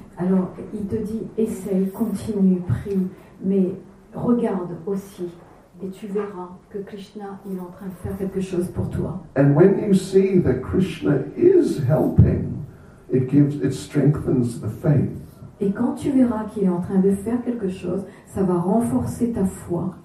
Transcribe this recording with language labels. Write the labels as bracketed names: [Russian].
[French] Alors, il te dit, essaye, continue, prie, mais regarde aussi, et tu verras que Krishna est en train de faire quelque chose pour toi. [English] And when you see that Krishna is helping, it strengthens the faith. [French] Et quand tu verras qu'il est en train de faire quelque chose, ça va renforcer ta foi.